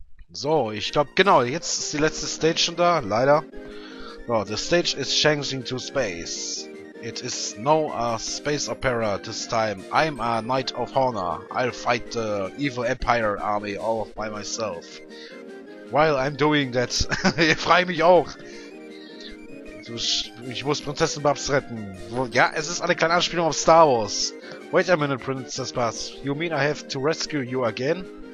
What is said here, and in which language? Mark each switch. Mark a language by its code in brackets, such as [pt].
[de] So, ich glaube, genau, jetzt ist die letzte Stage schon da, leider. [en] Oh, the stage is changing to space. It is no space opera this time. I'm a knight of honor. I'll fight the evil empire army all by myself. While I'm doing that, [de] ich freue mich auch. Ich muss Prinzessin Babs retten. Ja, es ist eine kleine Anspielung auf Star Wars. [en] Wait a minute, Princess Babs. You mean I have to rescue you again?